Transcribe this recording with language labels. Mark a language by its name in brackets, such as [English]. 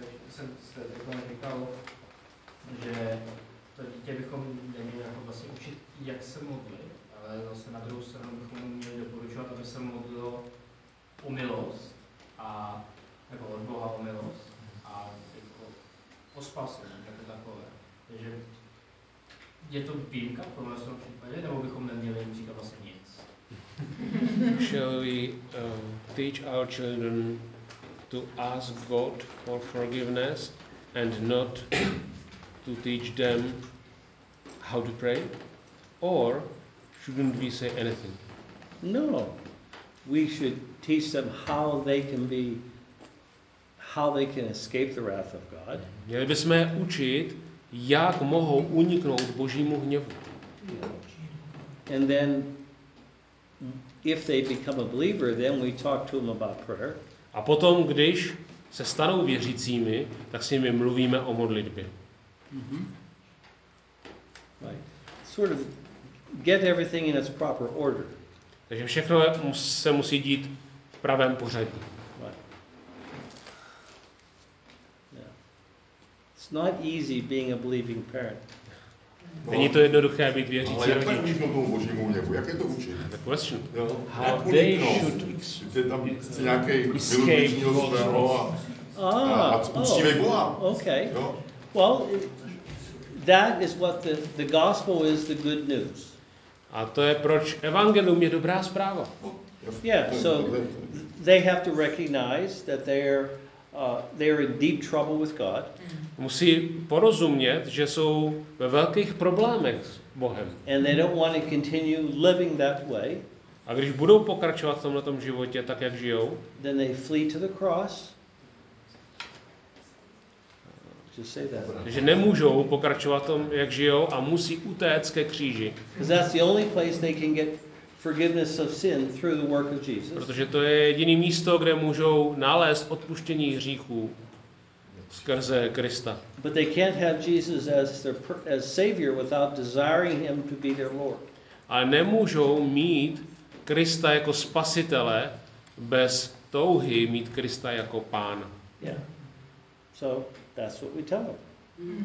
[Czech] Jsem se takhle říkal, že to dítě bychom neměli jako vlastně učit, jak se modlit, ale vlastně na druhou stranu bychom měli doporučovat, aby se modlilo o milost, a jako od Boha o milost a jako o spasení, jako takové. Takže Je to výjimka v tomhle případě, nebo bychom neměli jim říkat vlastně nic? [English] Shall we teach our children to ask God for forgiveness and not to teach them how to pray? Or shouldn't we say anything? No. We should teach them how they can be, how they can escape the wrath of God. [Czech] Měli bychom je učit, jak mohou uniknout Božímu hněvu. [English] And then if they become a believer, then we talk to them about prayer. [Czech] A potom, když se stanou věřícími, tak s nimi mluvíme o modlitbě. [English] Mm-hmm. Right. Sort of get everything in its proper order. [Czech] Takže všechno se musí dít v pravém pořadí. [English] Right. Yeah. It's not easy being a believing parent. [Czech] Není to jednoduché být věřící rodič. Ale jak uniknout tomu Božímu hněvu? Jak je to učit? [English] The question. How they should escape God's wrath. Ah, okay. Well, that is what the gospel is, the good news. [Czech] A to je, proč evangelium je dobrá zpráva. [English] Yeah, so they have to recognize that they're in deep trouble with God. [Czech] Musí porozumět, že jsou ve velkých problémech s Bohem. [English] And they don't want to continue living that way. [Czech] A když budou pokračovat v tomhle tom životě tak, jak žijou, [English] then they flee to the cross. Just say that. [Czech] Že nemůžou pokračovat v tom, jak žijou, a musí utéct ke kříži. [English] Because that's the only place they can get forgiveness of sin through the work of Jesus. [Czech] Protože to je jediné místo, kde můžou nalézt odpuštění hříchů skrze Krista. [English] But they can't have Jesus as savior without desiring him to be their Lord. [Czech] Ale nemůžou mít Krista jako spasitele bez touhy mít Krista jako pána. [English] Yeah. So that's what we tell them.